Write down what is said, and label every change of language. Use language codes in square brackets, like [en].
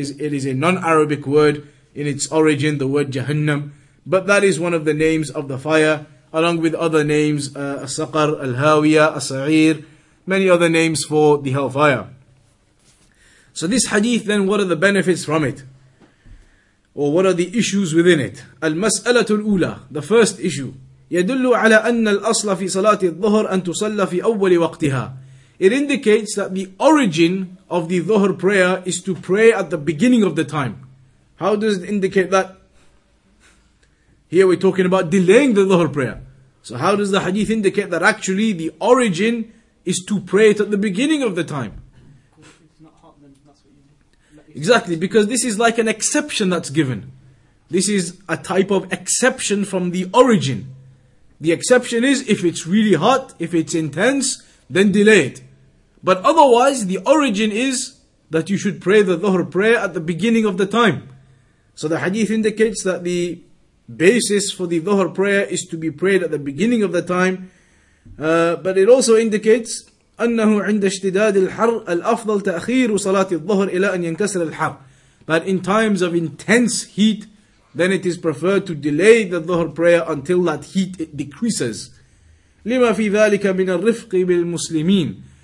[en] It is a non-Arabic word in its origin, the word Jahannam. But that is one of the names of the fire, along with other names, As-Saqar, Al-Hawiya, As-Sa'ir, many other names for the hellfire. So this hadith, then, what are the benefits from it? Or what are the issues within it? [ar] المسألة الأولى, [en] the first issue. [ar] يدل على أن الأصل في صلاة الظهر أن تصلى في أول وقتها. [en] It indicates that the origin of the Dhuhr prayer is to pray at the beginning of the time. How does it indicate that? Here we're talking about delaying the Dhuhr prayer. So how does the hadith indicate that actually the origin is to pray it at the beginning of the time? Exactly, because this is like an exception that's given. This is a type of exception from the origin. The exception is, if it's really hot, if it's intense, then delay it. But otherwise, the origin is that you should pray the Dhuhr prayer at the beginning of the time. So the hadith indicates that the basis for the Dhuhr prayer is to be prayed at the beginning of the time. But it also indicates [ar] أنه عند اشتداد الحر الأفضل تأخير صلاة الظهر إلى أن ينكسر الحر. [en] But in times of intense heat, then it is preferred to delay the Dhuhr prayer until that heat it decreases. [ar] لما في ذلك من الرفق بالمسلمين.